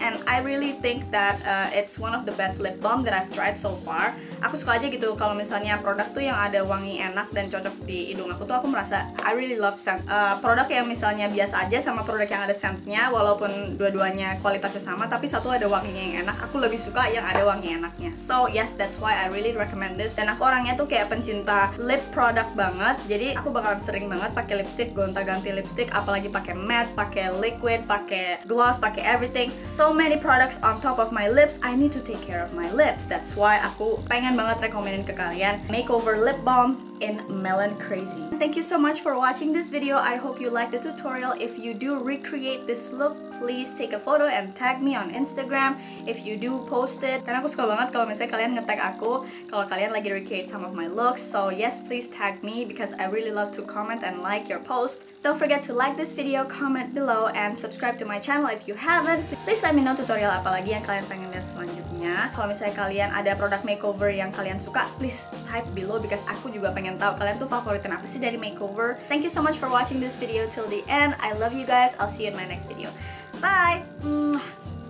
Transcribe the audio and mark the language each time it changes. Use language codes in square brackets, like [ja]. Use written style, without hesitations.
[en] And I really think that it's one of the best lip balm that I've tried so far. [id] Aku suka aja gitu kalau misalnya produk tuh yang ada wangi enak dan cocok di hidung aku tuh, aku merasa [en] I really love scent. [id] Produk yang misalnya biasa aja sama produk yang ada scentnya, walaupun dua-duanya kualitasnya sama, tapi satu ada wanginya yang enak, aku lebih suka yang ada wangi enaknya. [en] So yes, that's why I really recommend this. [id] Dan aku orangnya tuh kayak pencinta lip product banget, jadi aku bakalan sering banget pakai lipstick, gonta-ganti lipstick, apalagi pakai matte, pakai liquid, pakai gloss, pakai everything. [en] So many products on top of my lips, I need to take care of my lips. That's why [id] aku pengen banget rekomendin ke kalian Makeover Lip Balm in Melon Crazy. [en] Thank you so much for watching this video. I hope you like the tutorial. If you do recreate this look, please take a photo and tag me on Instagram if you do post it. [id] Karena aku suka banget kalau misalnya kalian nge-tag aku kalau kalian lagi [en] recreate some of my looks. So yes, please tag me because I really love to comment and like your post. Don't forget to like this video, comment below, and subscribe to my channel if you haven't. Please let me know [id] tutorial apa lagi yang kalian pengen lihat selanjutnya. Kalau misalnya kalian ada produk makeover yang kalian suka, [en] please type below because [id] aku juga pengen tahu kalian tuh favoritin apa sih dari makeover. [en] Thank you so much for watching this video till the end. I love you guys. I'll see you in my next video. Bye!